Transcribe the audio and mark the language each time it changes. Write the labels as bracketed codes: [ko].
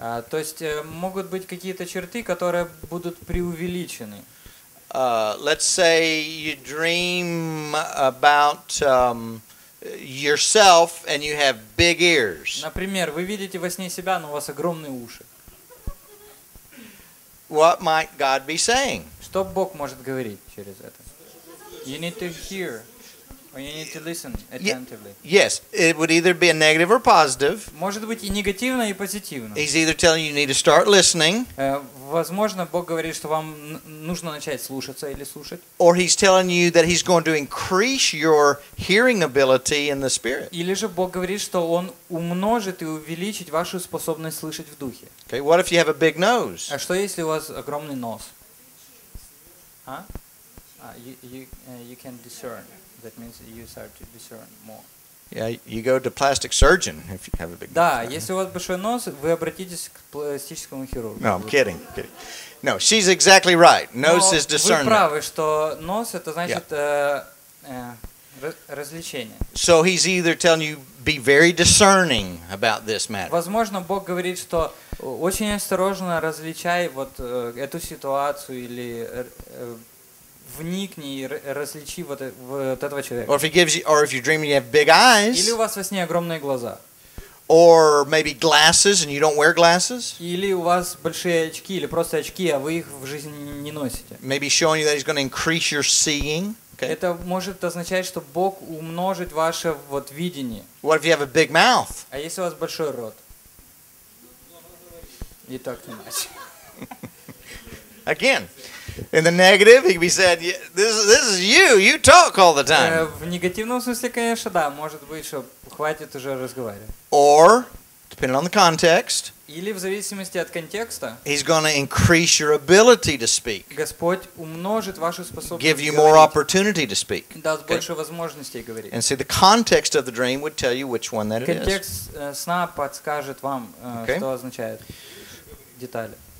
[ru] То есть могут быть какие-то черты, которые будут преувеличены. [en] Let's say you dream about yourself and you have big ears. [ru] Например, вы видите во сне себя, но у вас огромные уши. [en] What might God be saying? [ru] Что Бог может говорить через это? [en] You need to hear. Or you need to listen attentively. Yes, it would either be a negative or positive. [ru] Может быть и негативно, и позитивно. [en] He's either telling you need to start listening. [ru] Возможно, Бог говорит, что вам нужно начать слушаться или слушать. [en] Or he's telling you that he's going to increase your hearing ability in the spirit. [ru] Или же Бог говорит, что он умножит и увеличит вашу способность слышать в духе. [en] Okay, what if you have a big nose? [ru] А что если у вас огромный нос? [en] А? You can discern. That means you start to discern more. Yeah, you go to plastic surgeon if you have a big nose. [ru] Да, если у вас большой нос, вы обратитесь к пластическому хирургу. [en] No, I'm kidding. No, she's exactly right. Nose is discernment. [ru] Вы правы, что нос это значит развлечение. [en] So he's either telling you be very discerning about this matter. [ru] Возможно, Бог говорит, что очень осторожно различай вот эту ситуацию или вникни и различи вот этого человека. [en] Or if he gives you, or if you're dreaming, you have big eyes. [ru] Или у вас во сне огромные глаза. [en] Or maybe glasses, and you don't wear glasses. [ru] Или у вас большие очки, или просто очки, а вы их в жизни не носите. [en] Maybe showing you that he's going to increase your seeing. Okay. [ru] Это может означать, что Бог умножит ваше вот видение. [en] What if you have a big mouth? [ru] А если у вас большой рот? И так не иначе. [en] Again. In the negative, he'd be said, this is you. You talk all the time. [ru] В негативном смысле, конечно, да. Может быть, что хватит уже разговаривать. [en] Or, depending on the context. [ru] Или в зависимости от контекста. [en] He's going to increase your ability to speak. [ru] Господь умножит вашу способность. [en] Give you [ru] говорить, [en] more opportunity to speak. [ru] Даст больше возможностей говорить. [en] And see, the context of the dream would tell you which one that it is. [ru] Контекст сна подскажет вам, что означает детали.